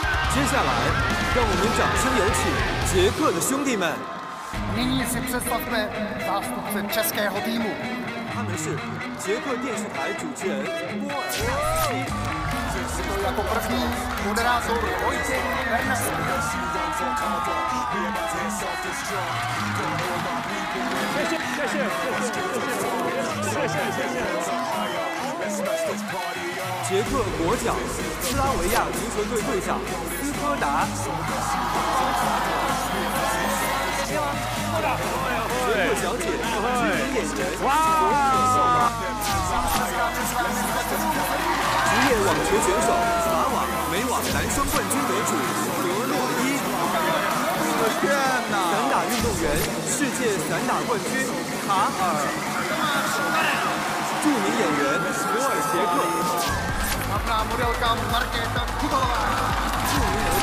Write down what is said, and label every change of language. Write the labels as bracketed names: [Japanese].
[Chinese] 接下来，让我们掌声有请捷克的兄弟们。 [Czech] Nyní si představme zástupce českého týmu. [Chinese] 他们是捷克电视台主持人波尔西。 [Czech] Jako první moderátor [Chinese] 捷克国脚斯拉维亚足球队队长斯科达。你好，科达。捷克小姐，著名演员。哇！职业网球选手，法网、美网男双冠军得主格洛伊。我的天哪！散打运动员，世界散打冠军卡尔。著名演员博尔杰克。 [Slovak] Hlavná modelka Markéta Kutová.